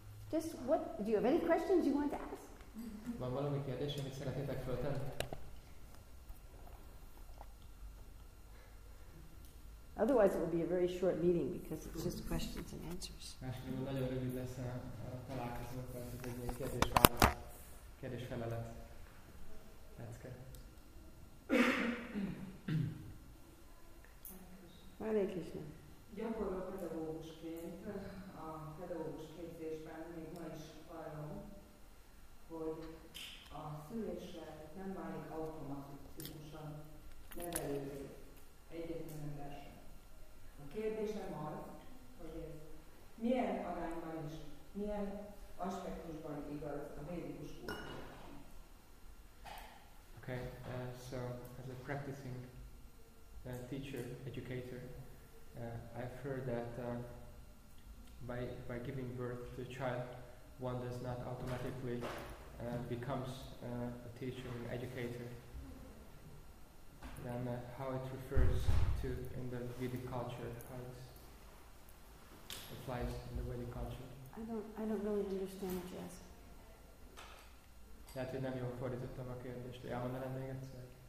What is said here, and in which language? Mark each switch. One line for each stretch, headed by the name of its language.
English: Just what, do you have any questions you want to ask?
Hungarian: Van valami kérdés, amit szeretnétek föltenni?
English: Otherwise it will be a very short meeting because it's just questions and answers.
Hungarian: Másképpen nagyon rövid lesz a találkozó, mert ez egy kérdés-válasz, kérdés-felelet. Lecke.
Sanskrit: Hare Krishna.
Hungarian: Gyakorló pedagógusként a pedagógus képzésben még ma is hallom, hogy a szüléssel nem válik automatikusan nevelővé egyetlen ember sem. A kérdésem az, hogy ez milyen arányban is, milyen aspektusban igaz a védikus kultúrában.
English: Okay, so as a practicing teacher, educator, I've heard that by giving birth to a child, one does not automatically becomes a teacher and educator. Then how it refers to in the Vedic culture, how it applies in the Vedic culture. I don't really understand what you ask.
Hungarian: Tehát, hogy nem jól fordítottam a kérdést. Elmondanám még egyszer?